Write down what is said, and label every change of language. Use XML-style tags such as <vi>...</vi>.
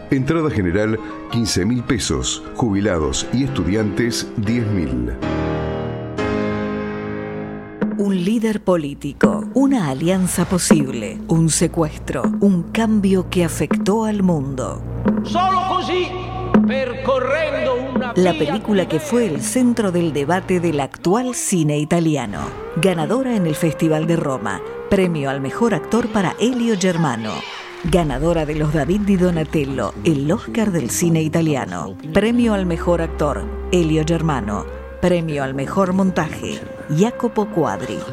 <es>Entrada general, 15.000 pesos. Jubilados y estudiantes, 10.000. Un líder político, una alianza posible, un secuestro, un cambio que afectó al mundo.</es> <it>Solo così, percorrendo una.</it> <es>La película que fue el centro del debate del actual cine italiano, ganadora en el Festival de Roma, premio al mejor actor para Elio Germano. Ganadora de los David Di Donatello, el Oscar del cine italiano. Premio al mejor actor, Elio Germano. Premio al mejor montaje, Jacopo Quadri.</es>